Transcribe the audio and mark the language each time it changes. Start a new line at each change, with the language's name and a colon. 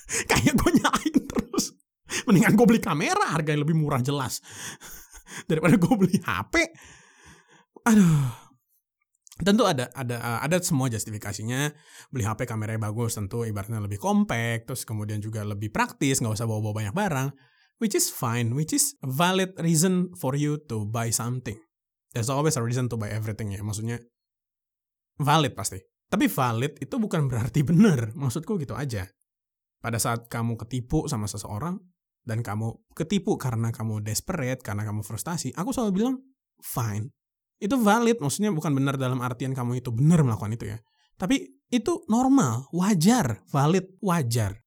Indonesian: Kayak gue nyalain terus. Mendingan gue beli kamera, harganya lebih murah jelas. Daripada gue beli HP. Aduh. Tentu ada semua justifikasinya. Beli HP kameranya bagus, tentu ibaratnya lebih kompak, terus kemudian juga lebih praktis, gak usah bawa-bawa banyak barang.
English: Which is fine, which is a valid reason for you to buy something. There's always a reason to buy everything ya,
Indonesian: maksudnya valid pasti. Tapi valid itu bukan berarti benar, maksudku gitu aja. Pada saat kamu ketipu sama seseorang, dan kamu ketipu karena kamu desperate, karena kamu frustasi, aku selalu bilang, fine. Itu valid, maksudnya bukan benar dalam artian kamu itu benar melakukan itu ya. Tapi itu normal, wajar, valid, wajar.